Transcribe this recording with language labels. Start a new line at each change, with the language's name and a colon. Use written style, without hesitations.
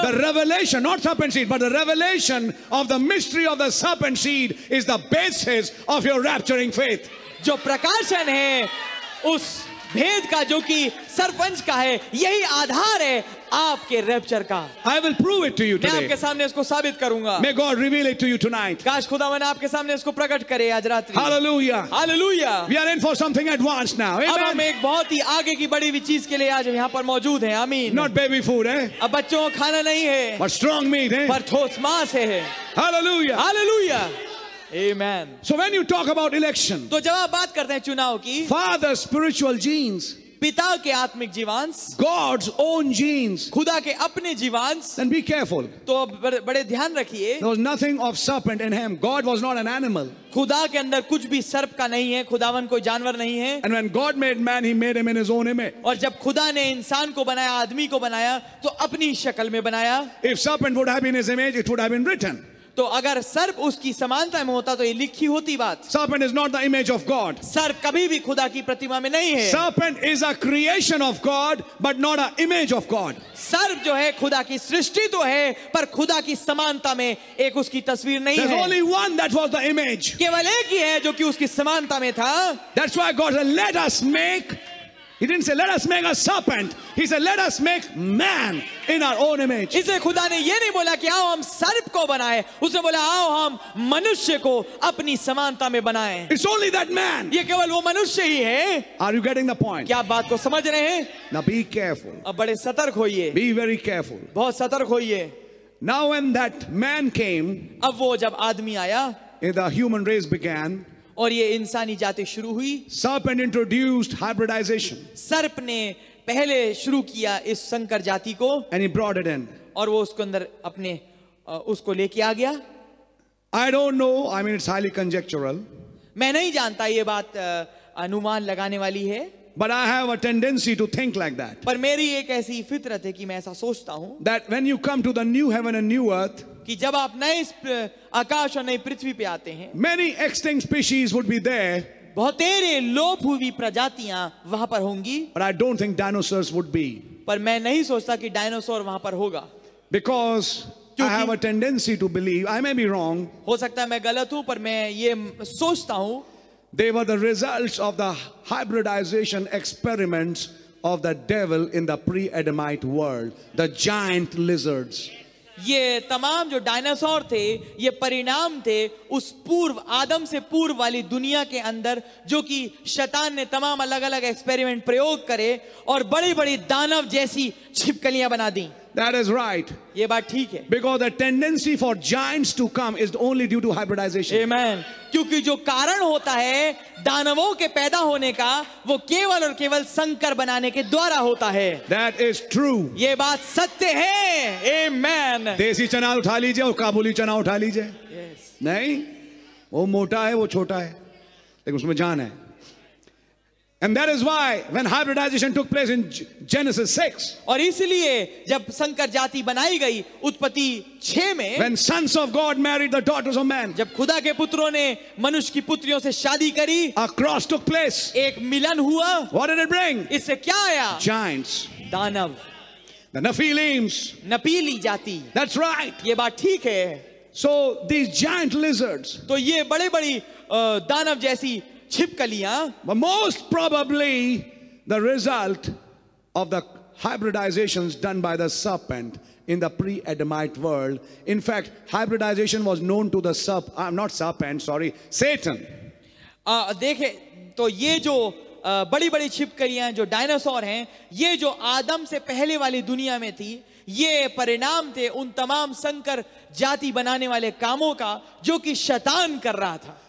English: The revelation, not serpent seed, but the revelation. Of the mystery of the serpent seed is the basis of your rapturing faith.
Hindi: जो प्रकाशन है उस भेद का जो कि सरपंच का है यही आधार है आपके रैप्चर का.
English: I will prove it to you today.
Hindi: मैं आपके सामने इसको साबित करूंगा.
English: May God reveal it to you tonight.
Hindi: काश खुदावन आपके सामने इसको प्रकट करे आज रात्रि.
English: Hallelujah. Hallelujah. We are in for something advanced now. Amen.
Hindi: अब हम एक बहुत ही आगे की बड़ी चीज के लिए आज यहाँ पर मौजूद हैं. आमीन.
English: Not baby food, eh?
Hindi: अब बच्चों का खाना नहीं है.
English: But strong meat, eh?
Hindi: पर ठोस मांस है.
English: Hallelujah. Hallelujah. Amen. So when you talk about election,
Hindi: तो जब आप बात करते हैं चुनाव की,
English: Father's spiritual genes,
Hindi: पिता के आत्मिक जीवांश,
English: God's own genes,
Hindi: खुदा के अपने जीवांश,
English: then be careful.
Hindi: तो बड़े ध्यान रखिए.
English: There was nothing of serpent in him. God was not an animal.
Hindi: खुदा के अंदर कुछ भी सर्प का नहीं है. खुदावन कोई जानवर नहीं है.
English: And when God made man, he made him in his own image.
Hindi: और जब खुदा ने इंसान को बनाया, आदमी को बनाया, तो अपनी शक्ल में बनाया.
English: If serpent would have been his image, it would have been written.
Hindi: तो अगर सर्प उसकी समानता में होता तो ये लिखी होती बात.
English: Serpent is not the image of God.
Hindi: सर्प कभी भी खुदा की प्रतिमा में नहीं है.
English: Serpent is a creation of God, but not an image of God.
Hindi: सर्प जो है खुदा की सृष्टि तो है पर खुदा की समानता में एक उसकी तस्वीर नहीं है.
English: There's only one that was the image.
Hindi: केवल एक ही है जो कि उसकी समानता में था.
English: That's why God said, "Let us make." He didn't say, "Let us make a serpent." He said, "Let us make man in our own image."
Hindi: इसे खुदा ने ये नहीं बोला कि आओ हम सर्प को बनाएं. उसने बोला आओ हम मनुष्य को अपनी समानता में बनाएं.
English: It's only that man.
Hindi: ये केवल वो मनुष्य ही है.
English: Are you getting the point?
Hindi: क्या बात को समझ रहे हैं?
English: Now be careful.
Hindi: अब बड़े सतर्क होइए.
English: Be very careful.
Hindi: बहुत सतर्क होइए.
English: Now when that man came.
Hindi: अब वो जब आदमी आया.
English: In the human race began.
Hindi: और ये इंसानी जाति शुरू हुई.
English: Serpent introduced hybridization.
Hindi: सर्प ने पहले शुरू किया इस संकर जाति को.
English: And he brought it in.
Hindi: और वो उसके अंदर अपने उसको लेके आ गया.
English: I don't know. I mean, it's highly conjectural.
Hindi: मैं नहीं जानता ये बात अनुमान लगाने वाली है.
English: But I have a tendency to think like that.
Hindi: पर मेरी एक ऐसी फितरत है कि मैं ऐसा सोचता हूँ.
English: That when you come to the new heaven and new earth.
Hindi: कि जब आप नए आकाश और नई पृथ्वी पे आते हैं.
English: Many extinct species would be there.
Hindi: बहुत तेरे लोप हुई प्रजातियां वहां पर होंगी.
English: But I don't think dinosaurs would be.
Hindi: पर मैं नहीं सोचता कि डायनासोर वहां पर होगा.
English: Because I have a tendency to believe, I may be wrong.
Hindi: हो सकता है मैं गलत हूं पर मैं ये सोचता हूं.
English: They were the results of the hybridization experiments of the devil in the pre-Adamite world, the giant lizards.
Hindi: ये तमाम जो डायनासोर थे ये परिणाम थे उस पूर्व आदम से पूर्व वाली दुनिया के अंदर जो कि शैतान ने तमाम अलग अलग एक्सपेरिमेंट प्रयोग करे और बड़ी बड़ी दानव जैसी छिपकलियां बना दी.
English: That is right.
Hindi: ये बात ठीक है.
English: Because the tendency for giants to come is only due to hybridization. Amen.
Hindi: क्योंकि जो कारण होता है दानवों के पैदा होने का वो केवल और केवल संकर बनाने के द्वारा होता है.
English: That is true.
Hindi: ये बात सत्य है. Amen. देसी चना उठा लीजिए और काबुली चना उठा लीजिए.
English: Yes.
Hindi: नहीं वो मोटा है वो छोटा है लेकिन उसमें जान है.
English: And that is why when hybridization took place in Genesis 6.
Hindi: और इसलिए जब संकर जाति बनाई गई उत्पत्ति 6 में.
English: When sons of God married the daughters of man.
Hindi: जब खुदा के पुत्रों ने मनुष्य की पुत्रियों से शादी करी.
English: A cross took place.
Hindi: एक मिलन हुआ.
English: What did it bring?
Hindi: इससे क्या आया?
English: Giants.
Hindi: दानव.
English: The Nephilims.
Hindi: नपीली जाति.
English: That's right.
Hindi: ये बात ठीक है.
English: So these giant lizards.
Hindi: तो ये बड़े बड़ी दानव जैसी छिपकलियां.
English: But most probably the result of the hybridizations done by the serpent in the pre-Adamite world. In fact, hybridization was known to the serpent, not serpent, sorry, Satan.
Hindi: देखे तो ये जो बड़ी बड़ी छिपकलियां जो डायनासोर हैं, ये जो आदम से पहले वाली दुनिया में थी, ये परिणाम थे उन तमाम संकर जाति बनाने वाले कामों का जो कि शैतान कर रहा था.